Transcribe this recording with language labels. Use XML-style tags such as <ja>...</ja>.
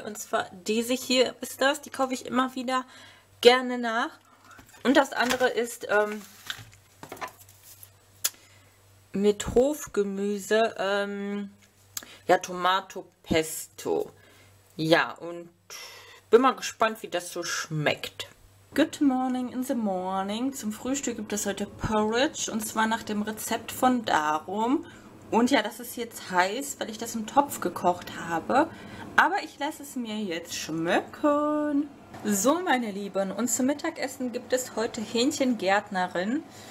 <de>Und zwar diese hier ist das. Die kaufe ich immer wieder gerne nach. Und das andere ist mit Hofgemüse. Ja, Tomato Pesto. Ja, und bin mal gespannt, wie das so schmeckt.</de> <en>Good morning in the morning.</en> <de>Zum Frühstück gibt es heute Porridge und zwar nach dem Rezept von Darum. Und ja, das ist jetzt heiß, weil ich das im Topf gekocht habe. Aber ich lasse es mir jetzt schmecken. So, meine Lieben, und zum Mittagessen gibt es heute Hähnchengärtnerin.</de>